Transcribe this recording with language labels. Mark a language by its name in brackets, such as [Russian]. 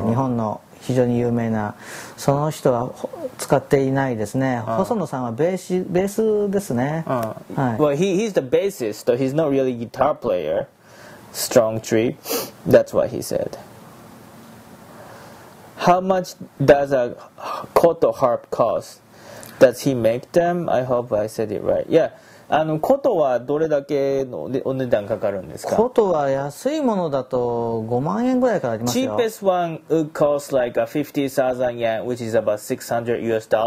[Japanese] Japan の非常に有名な、その人は使っていないですね。細野さんはベースですね。はい。 [English] Well, he's the bassist, so he's not really guitar player. Strong tree. That's what he said. How much does a koto harp cost? Does he make them? I hope I said it right. Yeah. [Japanese] 琴はどれだけのお値段かかるんですか？琴は安いものだと5万円ぐらいからありますよ。 [English] Cheapest one would cost like a 50,000 yen, which is about $600 US.